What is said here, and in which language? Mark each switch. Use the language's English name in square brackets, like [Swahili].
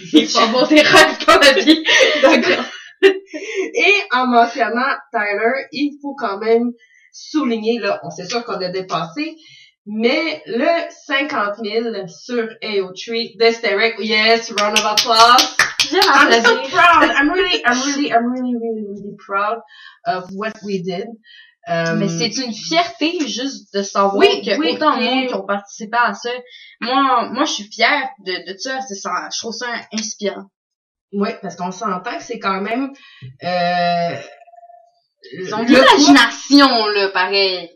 [French] Il faut avoir des rêves dans la vie. D'accord. Et, en mentionnant Tyler, il faut quand même souligner, là, on sait sûr qu'on a dépassé, mais le 50 000 sur AO3 d'Hysteric. [English] Yes, round of applause. Yeah, I'm so proud. I'm really proud of what we did. [French] Mais c'est une fierté juste de savoir autant de monde qui ont participé à ça. Moi je suis fière de ça, c'est ça, je trouve ça inspirant. Oui, parce qu'on s'entend que c'est quand même ils ont l'imagination là, pareil.